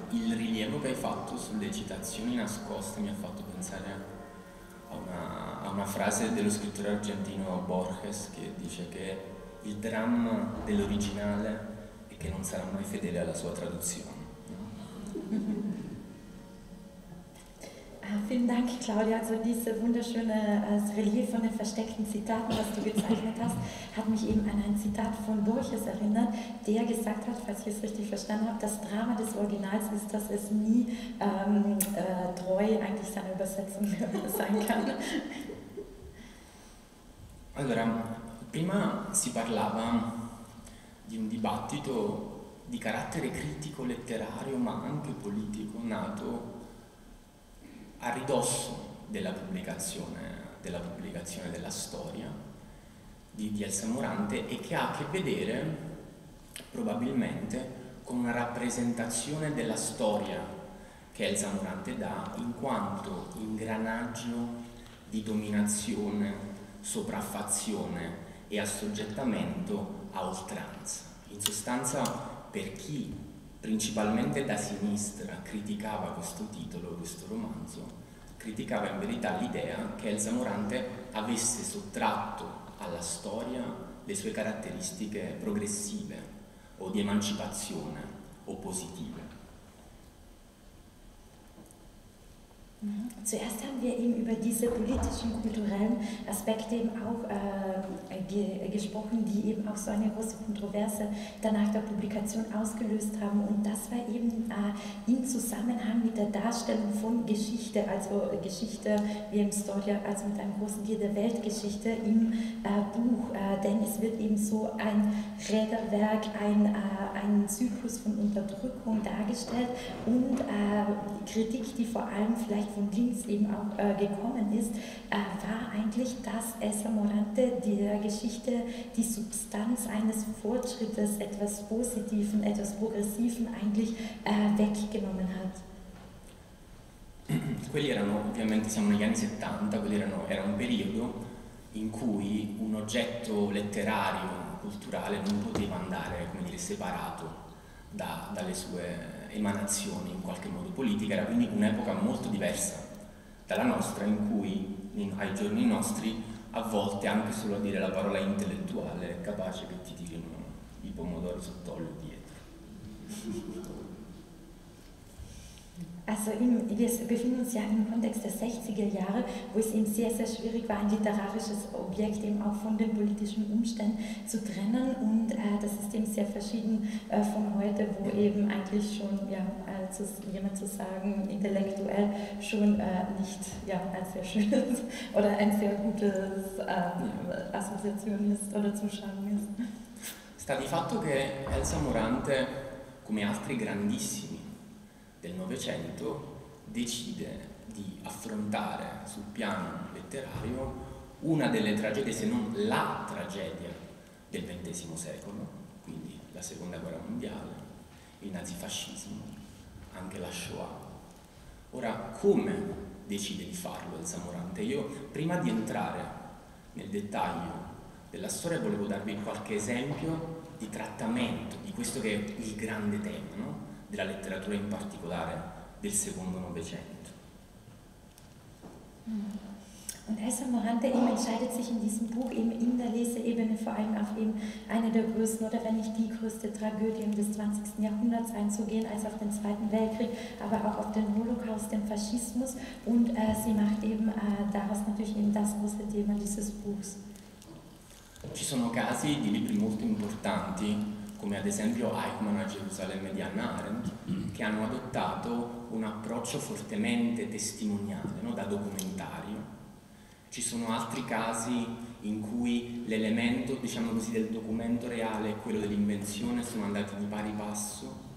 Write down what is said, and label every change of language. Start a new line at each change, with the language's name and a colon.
Italian: Il rilievo che hai fatto sulle citazioni nascoste mi ha fatto pensare a una frase dello scrittore argentino Borges che dice che il dramma dell'originale è che non sarà mai fedele alla sua traduzione.
German: Vielen Dank, Claudia. Also diese wunderschöne Relief von den versteckten Zitaten, was du gezeichnet hast, hat mich eben an ein Zitat von Borges erinnert, der gesagt hat, falls ich es richtig verstanden habe, das Drama des Originals ist, dass es nie treu eigentlich seiner Übersetzung sein kann.
Italian: Allora, prima si parlava di un dibattito di carattere critico letterario, ma anche politico, nato a ridosso della pubblicazione della storia di Elsa Morante e che ha a che vedere probabilmente con una rappresentazione della storia che Elsa Morante dà in quanto ingranaggio di dominazione, sopraffazione e assoggettamento a oltranza. In sostanza, per chi principalmente da sinistra criticava questo titolo, questo romanzo, criticava in verità l'idea che Elsa Morante avesse sottratto alla storia le sue caratteristiche progressive o di emancipazione o positive.
German: Zuerst haben wir eben über diese politischen, kulturellen Aspekte eben auch gesprochen, die eben auch so eine große Kontroverse danach der Publikation ausgelöst haben. Und das war eben im Zusammenhang mit der Darstellung von Geschichte, also Geschichte wie im Storia, also mit einem großen Bild der Weltgeschichte im Buch. Denn es wird eben so ein Räderwerk, ein Zyklus von Unterdrückung dargestellt und Kritik, die vor allem vielleicht von links eben auch gekommen ist, war eigentlich, dass Elsa Morante der Geschichte die Substanz eines Fortschrittes, etwas Positiven, etwas Progressiven eigentlich weggenommen hat.
Italian: Quelli erano, ovviamente siamo negli anni 70, quelli erano, era un periodo in cui un oggetto letterario, culturale, non poteva andare, come dire, separato dalle sue emanazioni in qualche modo politica. Era quindi un'epoca molto diversa dalla nostra, in cui ai giorni nostri a volte anche solo a dire la parola intellettuale è capace che ti tirino i pomodori sott'olio dietro.
German: Also wir befinden uns ja im Kontext der 60er Jahre, wo es eben sehr, sehr schwierig war, ein literarisches Objekt eben auch von den politischen Umständen zu trennen. Und das ist eben sehr verschieden von heute, wo eben eigentlich schon, jemand zu sagen, intellektuell schon nicht ein sehr schönes oder ein sehr gutes Assoziation ist oder Zuschauen ist.
Italian: Sta di fatto che Elsa Morante, come altri grandissimi del Novecento, decide di affrontare sul piano letterario una delle tragedie, se non la tragedia del XX secolo, quindi la Seconda Guerra Mondiale, il nazifascismo, anche la Shoah. Ora, come decide di farlo Elsa Morante? Io, prima di entrare nel dettaglio della storia, volevo darvi qualche esempio di trattamento di questo che è il grande tema, no? Della letteratura in particolare del secondo Novecento.
German: Und Elsa Morante entscheidet sich in diesem Buch eben in der Leseebene vor allem auf eben eine der größten oder wenn nicht die größte Tragödie des 20. Jahrhunderts einzugehen, also auf den Zweiten Weltkrieg, aber auch auf den Holocaust, den Faschismus, und sie macht eben daraus natürlich eben das große Thema dieses Buchs.
Italian: Ci sono casi di libri molto importanti, come ad esempio Eichmann a Gerusalemme di Hannah Arendt, che hanno adottato un approccio fortemente testimoniale, no? Da documentario. Ci sono altri casi in cui l'elemento, diciamo così, del documento reale e quello dell'invenzione sono andati di pari passo.